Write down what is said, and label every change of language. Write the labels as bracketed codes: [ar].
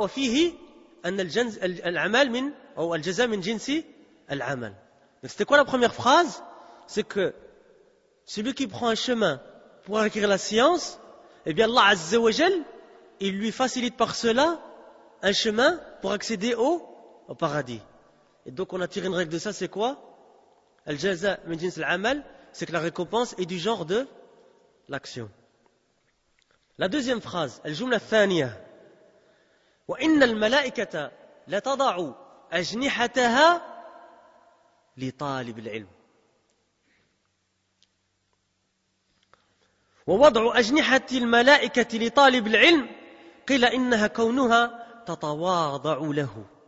[ar] Wa fihi أن الجنس العمل من أو الجزاء من جنس العمل. [fr] C'était quoi la première phrase? C'est que celui qui prend un chemin pour acquérir la science, eh bien Allah Azza wa Jal, il lui facilite par cela un chemin pour accéder au paradis. Et donc on a tiré une règle de ça, c'est quoi? [ar] الجزاء من جنس العمل, [fr] c'est que la récompense est du genre de l'action. La deuxième phrase, [ar] الجملة الثانية. وَإِنَّ الْمَلَائِكَةَ لَتَضَعُ أَجْنِحَتَهَا لِطَالِبِ الْعِلْمِ وَوَضْعُ أَجْنِحَةِ الْمَلَائِكَةِ لِطَالِبِ الْعِلْمِ قِيلَ إِنَّهَا كَوْنُهَا تَتَوَاضَعُ لَهُ